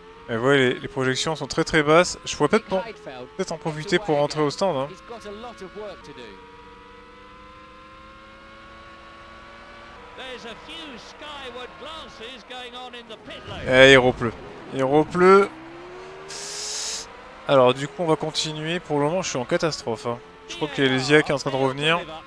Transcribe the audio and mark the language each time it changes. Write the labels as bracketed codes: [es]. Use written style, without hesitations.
[fr] Et vous voyez, les projections sont très très basses. Je pourrais peut-être en profiter pour rentrer au stand. Hein. [en] He's got a lot of work to do. There's a few skyward glances going on in the pit lane. [fr] Eh, il repleut. Alors du coup on va continuer, pour le moment je suis en catastrophe. Hein. Je crois qu'il y a les IA qui sont en train de revenir.